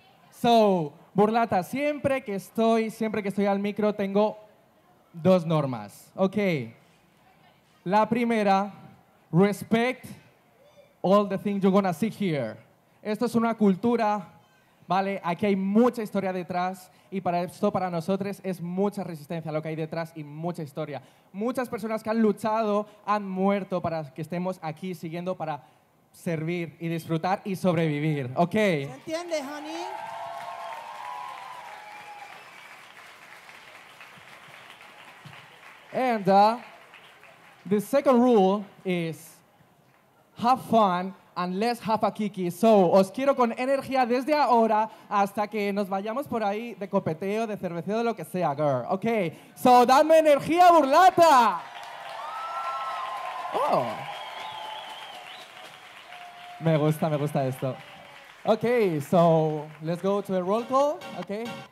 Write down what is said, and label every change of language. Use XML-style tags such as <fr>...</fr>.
<es>So, Burlata, siempre que estoy al micro, tengo dos normas. Ok. La primera,</es> <en>respect all the things you're gonna see here.</en> <es>Esto es una cultura, ¿vale? Aquí hay mucha historia detrás y para esto, para nosotros, es mucha resistencia lo que hay detrás y mucha historia. Muchas personas que han luchado han muerto para que estemos aquí siguiendo para servir y disfrutar y sobrevivir, ¿ok? ¿Se entiende, honey?</es> <en>And the second rule is have fun and let's have a kiki.</en> <es>So, os quiero con energía desde ahora hasta que nos vayamos por ahí de copeteo, de cerveceo, de lo que sea, girl. Okay. So, dame energía, Burlata. Oh. Me gusta esto.</es> <en>Okay, so, let's go to the roll call. Okay.</en>